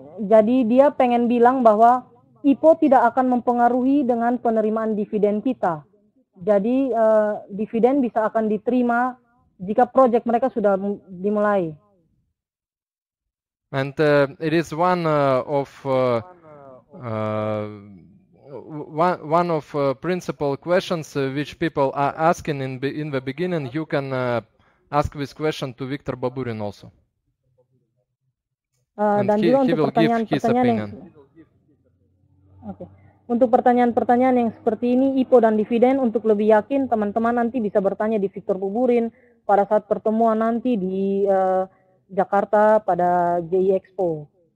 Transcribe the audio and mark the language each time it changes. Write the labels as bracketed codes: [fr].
[id] Jadi dia pengen bilang bahwa IPO tidak akan mempengaruhi dengan penerimaan dividen kita. Jadi dividen bisa akan diterima jika proyek mereka sudah dimulai. [en] And it is one of one of principal questions which people are asking in the beginning. You can ask this question to Viktor Baburin also. [id] Dan juga untuk pertanyaan-pertanyaan yang untuk pertanyaan-pertanyaan yang seperti ini, IPO dan dividen, untuk lebih yakin teman-teman nanti bisa bertanya di Viktor Baburin pada saat pertemuan nanti di Jakarta pada JI Expo.